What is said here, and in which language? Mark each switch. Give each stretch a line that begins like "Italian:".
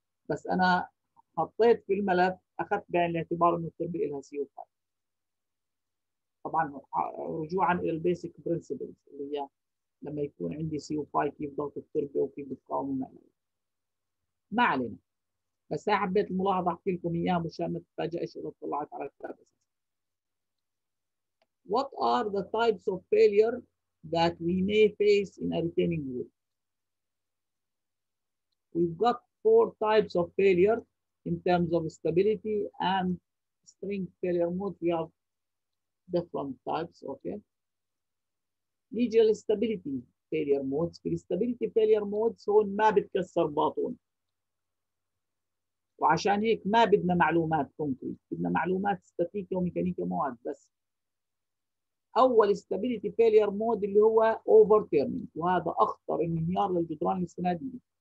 Arabic: بس انا حطيت في الملف اخذت بعين الاعتبار انه التربه لها سي او فايف، طبعا رجوعا الى البيسك برنسبلز اللي هي لما يكون عندي سي او فايف كيف ضغط التربه وكيف بتقاوم المعلومات. ما علينا، بس هاي حبيت الملاحظة أحكي لكم إياها مشان ما تتفاجئش إذا طلعت على الكتاب.
English: What are the types of failure that we may face in a retaining wall? We've got four types of failure in terms of stability and strength failure mode. We have different types, okay?
Arabic: نيجي للستابيليتي فيلير مودز. في الستابيليتي فيلير مودز هون ما بتكسر باطون، وعشان هيك ما بدنا معلومات كونكريت، بدنا معلومات استاتيكيه وميكانيكيه مواد بس. اول ستابيليتي فيلير مود اللي هو اوفر تيرنينج، وهذا اخطر انهيار للجدران الاستناديه.